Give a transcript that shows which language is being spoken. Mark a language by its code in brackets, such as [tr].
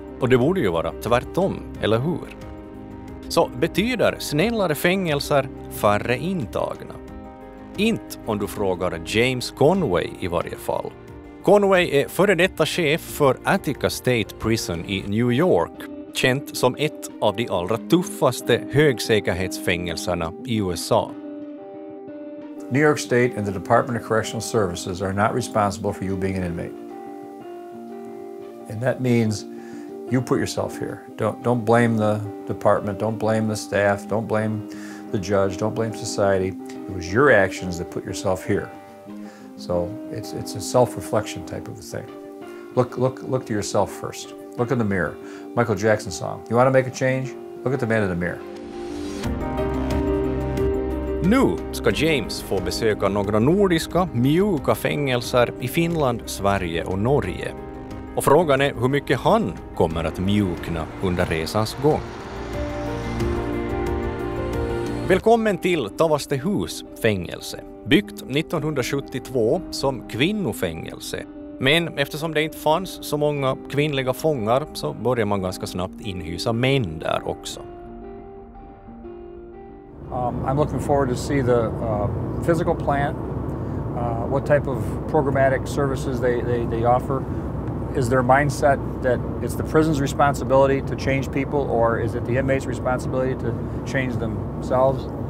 [sv] Och det borde ju vara tvärtom, eller hur? Så betyder snällare fängelser färre intagna? Inte om du frågar James Conway i varje fall. Conway är före detta chef för Attica State Prison i New York, känt som ett av de allra tuffaste högsäkerhetsfängelserna i USA. [en] New York State and the Department of Correctional Services are not responsible for you being an inmate. And that means you put yourself here. Don't blame the department, don't blame the staff, don't blame the judge, don't blame society. It was your actions that put yourself here. So it's a self-reflection type of a thing. Look to yourself first. Look in the mirror. Michael Jackson song. You want to make a change? Look at the man in the mirror. [sv] Nu ska James få besöka några nordiska, mjuka fängelser i Finland, Sverige och Norge. Och frågan är hur mycket han kommer att mjukna under resans gång. Välkommen till Tavastehus fängelse. Byggt 1972 som kvinnofängelse. Men eftersom det inte fanns så många kvinnliga fångar så började man ganska snabbt inhysa män där också. [en] I'm looking forward to see the physical plant, what type of programmatic services they offer. Is their mindset that it's the prison's responsibility to change people, or is it the inmate's responsibility to change themselves?